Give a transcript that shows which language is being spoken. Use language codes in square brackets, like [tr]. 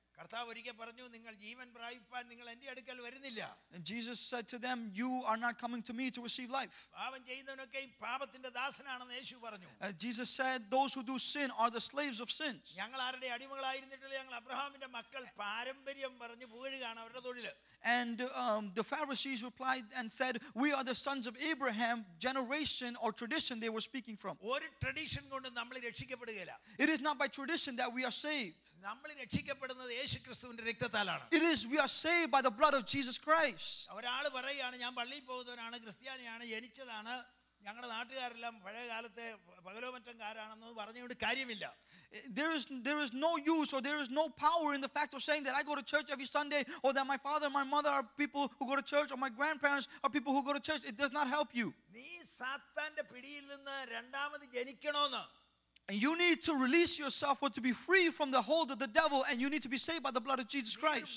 [ml] കർത്താവ് ഒരിക്കൽ പറഞ്ഞു, നിങ്ങൾ ജീവൻ പ്രാപിപ്പാൻ നിങ്ങൾ എന്റെ അടുക്കൽ വരുന്നില്ല. [en] And Jesus said to them, you are not coming to me to receive life. [ml] പാപം ചെയ്യുന്നവനൊക്കെ പാപത്തിന്റെ ദാസനാണെന്ന് യേശു പറഞ്ഞു. [en] Jesus said, those who do sin are the slaves of sins. [ml] ഞങ്ങൾ ആരുടെ അടിമകളായിരുന്നിട്ടില്ല, ഞങ്ങൾ അബ്രഹാമിന്റെ മക്കൾ, പാരമ്പര്യം പറഞ്ഞു പുകഴുകയാണ് അവരുടെ തൊഴിൽ. [en] And the Pharisees replied and said, we are the sons of Abraham, generation or tradition they were speaking from. [ml] ഒരു ട്രഡിഷൻ കൊണ്ട് നമ്മൾ രക്ഷിക്കപ്പെടുകയില്ല. [en] It is not by tradition that we are saved. [ml] നമ്മൾ രക്ഷിക്കപ്പെടുന്നത് യേശുക്രിസ്തുവിന്റെ രക്തത്താലാണ്. [en] It is we are saved by the blood of Jesus Christ. [ml] ഒരാള് പറയാണ്, ഞാൻ പള്ളിയിൽ പോകുന്നവനാണ്, ക്രിസ്ത്യാനിയാണ്, ജനിച്ചതാണ്, ഞങ്ങളുടെ നാട്ടുകാരെല്ലാം പഴയ കാലത്തെ പകലോമറ്റംകാരാണെന്ന് പറഞ്ഞുകൊണ്ട് കാര്യമില്ല. [en] There is no use or there is no power in the fact of saying that I go to church every Sunday or that my father and my mother are people who go to church or my grandparents are people who go to church. It does not help you. [ml] നീ സാത്താന്റെ പിടിയിൽ നിന്ന് രണ്ടാമത് ജനിക്കണമെന്ന്. [en] You need to release yourself or to be free from the hold of the devil, and you need to be saved by the blood of Jesus Christ.